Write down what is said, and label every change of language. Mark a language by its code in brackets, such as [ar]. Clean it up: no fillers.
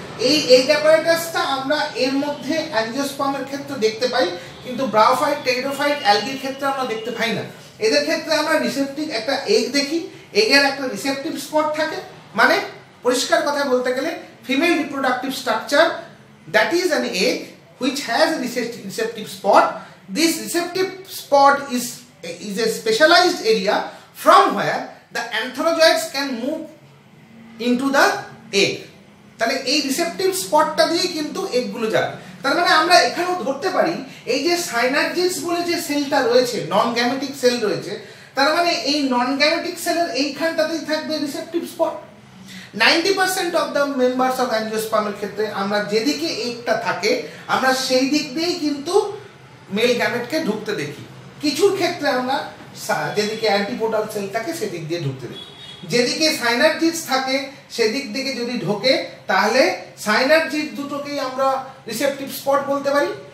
[bn] এই এগ অ্যাপারেটাসটা আমরা এর মধ্যে অ্যাঞ্জিওস্পার্মের ক্ষেত্রে দেখতে পাই, কিন্তু ব্রায়োফাইট, টেরিডোফাইট, অ্যালগির ক্ষেত্রে আমরা দেখতে পাই না। এদের ক্ষেত্রে আমরা রিসেপটিভ একটা এগ দেখি, এগের একটা রিসেপটিভ স্পট থাকে, মানে পরিষ্কার কথায় বলতে গেলে female reproductive structure, [en] That is an egg which has receptive spot. This receptive spot is a specialized area from where the antherozoids can move into the egg. [bn] তাহলে এই রিসেপটিভ স্পটটা দিয়ে কিন্তু এগুলো যাবে। তার মানে আমরা এখানেও ধরতে পারি এই যে সাইনার্জিস বলে যে সেলটা রয়েছে, নন গ্যামেটিক সেল রয়েছে, তার মানে এই নন গ্যামেটিক সেলের এইখানটাতেই থাকবে receptive spot. [en] 90% of the members of [bn] অ্যাঞ্জিওস্পার্মের ক্ষেত্রে আমরা যেদিকে এইটা থাকে আমরা সেই দিক দিয়েই কিন্তু মেল গ্যামেটকে ঢুকতে দেখি, কিছুর ক্ষেত্রে আমরা যেদিকে অ্যান্টিপোডাল সেল থাকে সেদিক দিয়ে ঢুকতে দেখি, যেদিকে সাইনার্জিস থাকে সেদিক থেকে যদি ঢোকে তাহলে সাইনার্জিস দুটোকেই আমরা রিসেপটিভ স্পট বলতে পারি।